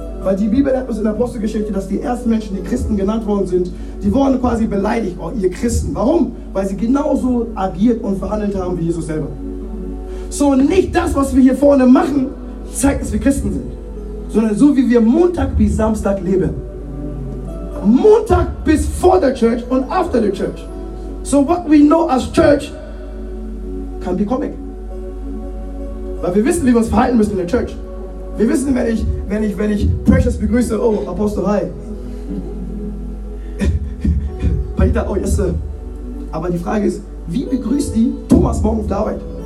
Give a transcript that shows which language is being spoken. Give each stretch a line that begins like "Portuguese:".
German: Weil die Bibel hat uns in der Apostelgeschichte, dass die ersten Menschen, die Christen genannt worden sind, die wurden quasi beleidigt, oh, ihr Christen. Warum? Weil sie genauso agiert und verhandelt haben wie Jesus selber. So, nicht das, was wir hier vorne machen, zeigt, dass wir Christen sind. Sondern so, wie wir Montag bis Samstag leben. Montag bis vor der Church und
English: after the Church. So, what we know as Church can be comic.
German: Weil wir wissen, wie wir uns verhalten müssen in der Church. Wir wissen, wenn ich Precious begrüße, oh, Apostel, hi. Paita,
English: oh, yes, sir.
German: Aber die Frage ist, wie begrüßt die Thomas morgen auf der Arbeit?